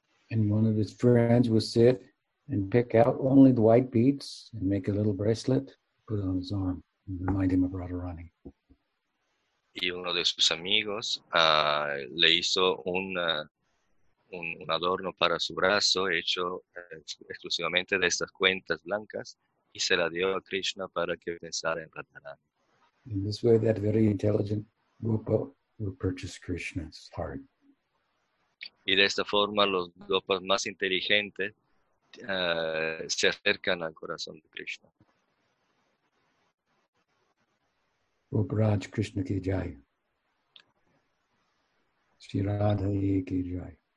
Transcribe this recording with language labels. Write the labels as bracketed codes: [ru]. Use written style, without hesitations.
[en] And one of his friends would sit and pick out only the white beads and make a little bracelet, put it on his arm, and remind him of Radharani. [es] Y uno de sus amigos le hizo un adorno para su brazo hecho exclusivamente de estas cuentas blancas y se la dio a Krishna para que pensara en Radharani. [en] In this way, that very intelligent Gopa will purchase Krishna's heart. [es] Y de esta forma, los gopas más inteligentes se acercan al corazón de Krishna. [hi] Gopraj Krishna ki jai. Sri Radha ki jai.